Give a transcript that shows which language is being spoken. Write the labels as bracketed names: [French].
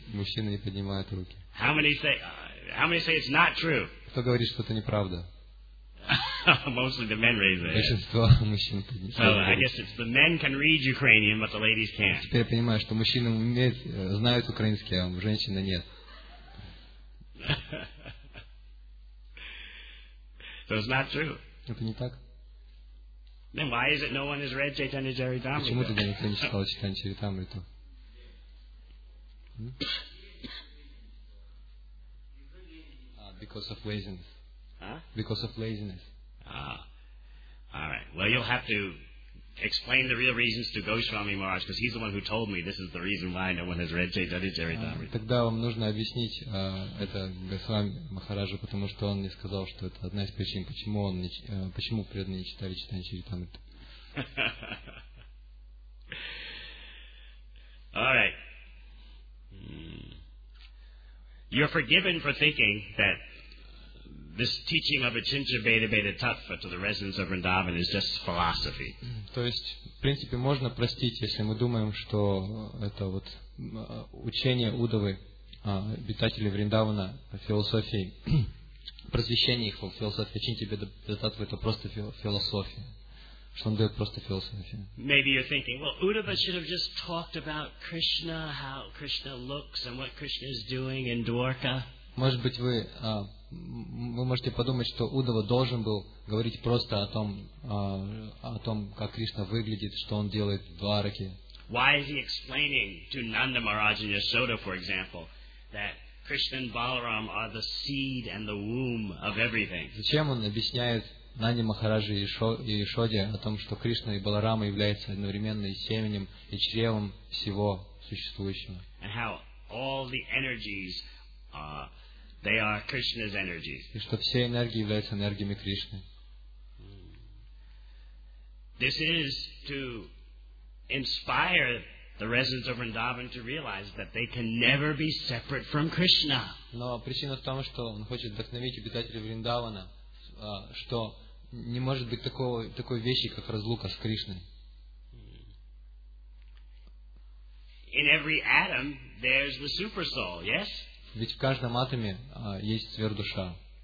[Russian] Мужчины не поднимают руки. [English] How many say it's not true? [Russian] Кто говорит, что это неправда? [English] Mostly the men raise their hands. [Russian] Большинство мужчин поднимают. [English] So I guess it's the men can read Ukrainian, but the ladies can't. [Russian] Теперь я понимаю, что мужчины знают украинский, а женщины нет. [English] So it's not true. [Russian] Это не так. [English] Then why is it no one has read Chaitanya Charitamrita? [Russian] Почему тогда никто не читал Чайтанья Чаритамриту? [English] Because of laziness. Huh? Because of laziness. All right. Well, you'll have to explain the real reasons to Goswami Maharaj, because he's the one who told me this is the reason why no one has read Chaitanya Charitamrita. [Russian] Тогда вам нужно объяснить это Госвами Махараджу, потому что он мне сказал, что это одна из причин, почему он не, почему преданные не читали Чайтанья Чаритамрита. [English] All right. You're forgiven for thinking that this teaching of Achinchabeda Tattva to the residents of Vrindavan is just philosophy. [Russian] То есть, в принципе, можно простить, если мы думаем, что это вот учение Уддхавы, обитателей Вриндавана, философии, просвещение их философии Achinchabeda Tattva, это просто философия. Что он дает просто философию. [English] Maybe you're thinking, well, Uddhava should have just talked about Krishna, how Krishna looks and what Krishna is doing in Dwarka. [Russian] Может быть, вы можете подумать, что Уддхава должен был говорить просто о том, как Кришна выглядит, что он делает в Двараке. [English] Why is he explaining to Nanda Maharaj and Yashoda, for example, that Krishna and Balaram are the seed and the womb of everything? [Russian] Зачем он объясняет Нанди Махараджи и Ишоди о том, что Кришна и Баларама являются одновременно и семенем, и чревом всего существующего. [English] And how all the energies, they are Krishna's energies. [Russian] И что все энергии являются энергиями Кришны. [English] This is to inspire the residents of Vrindavan to realize that they can never be separate from Krishna. [Russian] Но причина в том, что он хочет вдохновить обитателей Вриндавана что не может быть такой вещи, как разлука с Кришной. [English] In every atom there's the super soul, yes? [Russian] Ведь в каждом атоме есть сверхдуша.